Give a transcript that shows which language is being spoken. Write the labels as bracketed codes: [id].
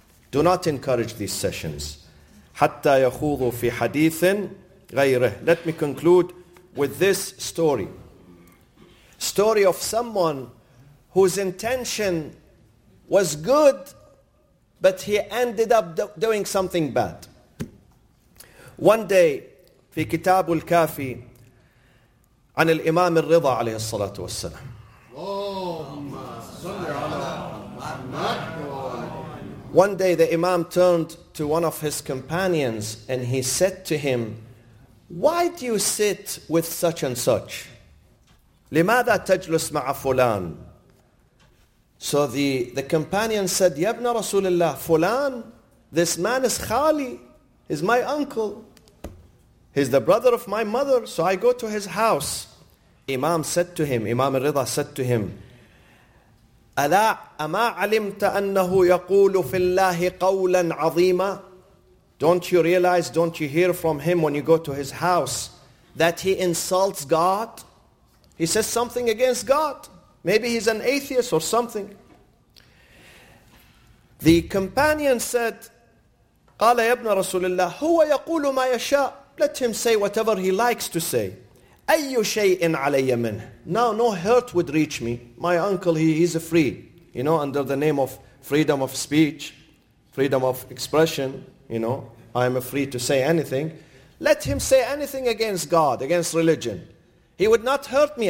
[en] Do not encourage these sessions. [ar] حَتَّى يَخُوضُوا فِي حَدِيثٍ غَيْرِهِ. [en] Let me conclude with this story. Story of someone whose intention was good, but he ended up doing something bad. One day, [ar] في كتاب الكافي عن الإمام الرضا عليه الصلاة والسلام. [en] One day the Imam turned to one of his companions and he said to him, why do you sit with such and such? [ar] لماذا تجلس مع فلان؟ [en] So the companion said, [ar] يا ابن رسول الله, فلان, [en] this man is خالي, he's my uncle. He's the brother of my mother, so I go to his house. Imam said to him, Imam al-Ridha said to him, [ar] ألا أما علمت أنه يقول في الله قولا عظيما؟ [en] Don't you realize, don't you hear from him when you go to his house that he insults God? He says something against God. Maybe he's an atheist or something. The companion said, [ar] قال يا ابن رسول الله هو يقول ما يشاء. [en] Let him say whatever he likes to say. [ar] أي شيء علي منه. [en] Now no hurt would reach me. My uncle, he's free. You know, under the name of freedom of speech, freedom of expression, you know, I'm free to say anything. Let him say anything against God, against religion. He would not hurt me.